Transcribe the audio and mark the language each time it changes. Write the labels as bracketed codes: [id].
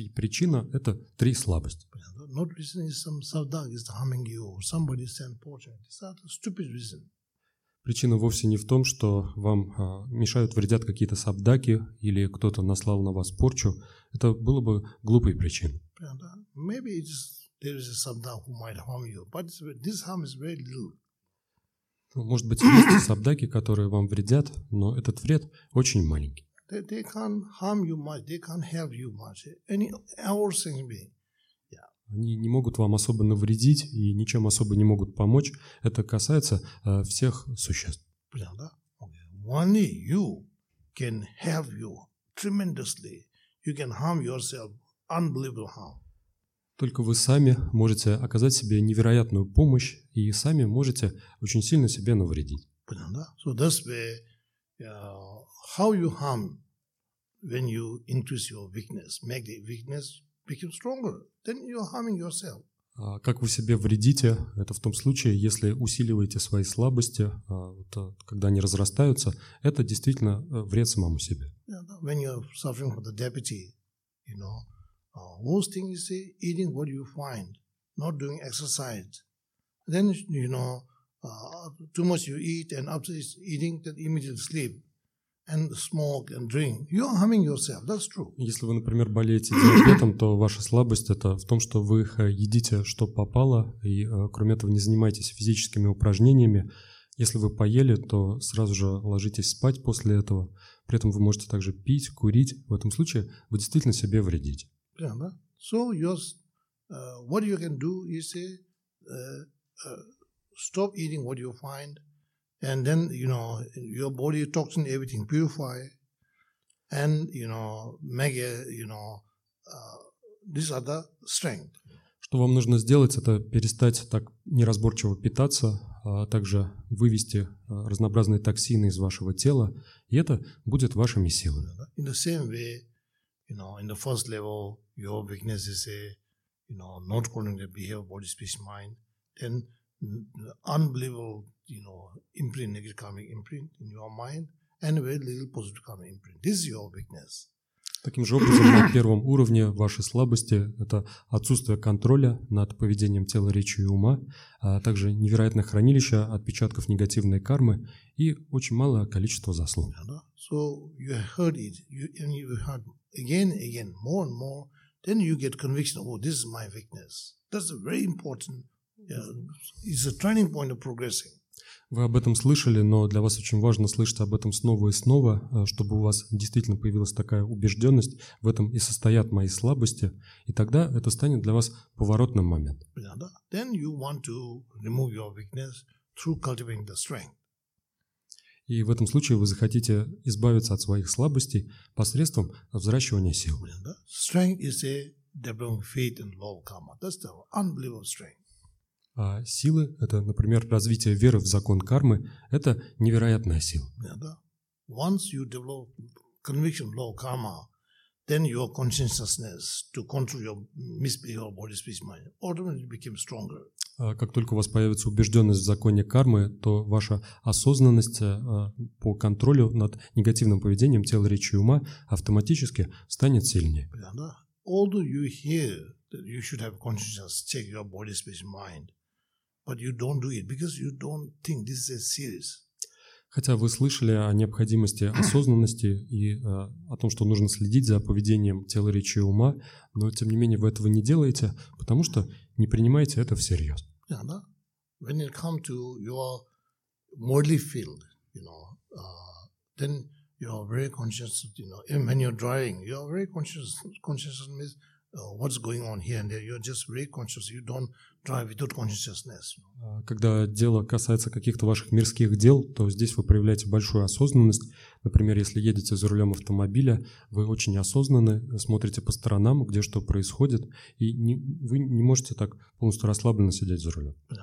[ru] И причина – это три слабости. [en] Not reason is some savdag is harming you or somebody is unfortunate. It's not a stupid reason. [ru] Причина вовсе не в том, что вам мешают, вредят какие-то сабдаки или кто-то наслал на вас порчу. Это было бы глупой причиной. [en] Maybe it's, there is a sabdag who might harm you, but this harm is very little. [ru] Может быть, есть сабдаки, которые вам вредят, но этот вред очень маленький. [en] They can't harm you much, they can't help you much. Any hours can be. [ru] Они не могут вам особо навредить и ничем особо не могут помочь. Это касается всех существ. [en] Only you can help you tremendously. You can harm yourself unbelievable harm. [ru] Только вы сами можете оказать себе невероятную помощь и сами можете очень сильно себе навредить. [en] So that's why how you harm when you increase your weakness, make the weakness become stronger. Then you're harming yourself. [ru] Как вы себе вредите? Это в том случае, если усиливаете свои слабости, когда они разрастаются, это действительно вред самому себе. [en] Yeah, when you're suffering from the diabetes, you know, worst thing is eating what you find, not doing exercise. Then you know, too much you eat, and after eating, then immediately sleep. And smoke and drink. You're harming yourself. That's true. [ru] Если вы, например, болеете диабетом, то ваша слабость это в том, что вы едите, что попало, и кроме этого не занимаетесь физическими упражнениями. Если вы поели, то сразу же ложитесь спать после этого. При этом вы можете также пить, курить. В этом случае вы действительно себе вредите. [en] Yeah, [ru] да? [en] So what you can do is stop eating what you find. And then, you know, your body toxin, everything purify. And, you know, make it, you know, this other strength. [ru] Что вам нужно сделать, это перестать так неразборчиво питаться, а также вывести разнообразные токсины из вашего тела. И это будет вашими силами. [en] In the same way, you know, in the first level, your weakness is, you know, not controlling the behavior, body, speech, mind. Then unbelievable, you know, imprint, negative karmic imprint in your mind and a very little positive karmic imprint. This is your weakness. [ru] Таким же образом, на первом уровне ваши слабости – это отсутствие контроля над поведением тела, речи и ума, а также невероятное хранилище отпечатков негативной кармы и очень малое количество заслуг. [en] So you heard it, you heard again, again, more and more, then you get conviction, oh, this is my weakness. That's a very important. Yeah, it's a turning point of progressing. [ru] Вы об этом слышали, но для вас очень важно слышать об этом снова и снова, чтобы у вас действительно появилась такая убежденность, в этом и состоят мои слабости, и тогда это станет для вас поворотным моментом. [en] Then you want to remove your weakness through cultivating the strength. [ru] И в этом случае вы захотите избавиться от своих слабостей посредством взращивания сил. [en] Strength is a developing faith in law of karma. That's the unbelievable strength. [ru] А силы – это, например, развитие веры в закон кармы – это невероятная сила. [en] Once you develop conviction law karma, then your consciousness to control your misbehavior, body, speech, mind automatically becomes stronger. [ru] Как только у вас появится убежденность в законе кармы, то ваша осознанность по контролю над негативным поведением тела, речи и ума автоматически станет сильнее. [en] Although you hear that you should have consciousness, check your body, speech, mind, but you don't do it because you don't think this is serious. [ru] Хотя вы слышали о необходимости осознанности и о том, что нужно следить за поведением тела, речи и ума, но тем не менее вы этого не делаете, потому что не принимаете это всерьез. [en] Yeah, [ru] да? [en] When it comes to your worldly field, you know, then you are very conscious, you know, even when you're driving, you are very conscious. Consciousness means what's going on here and there. You're just very conscious. You don't drive without consciousness. [ru] Когда дело касается каких-то ваших мирских дел, то здесь вы проявляете большую осознанность. Например, если едете за рулем автомобиля, вы очень осознанны, смотрите по сторонам, где что происходит, и не, вы не можете так полностью расслабленно сидеть за рулем.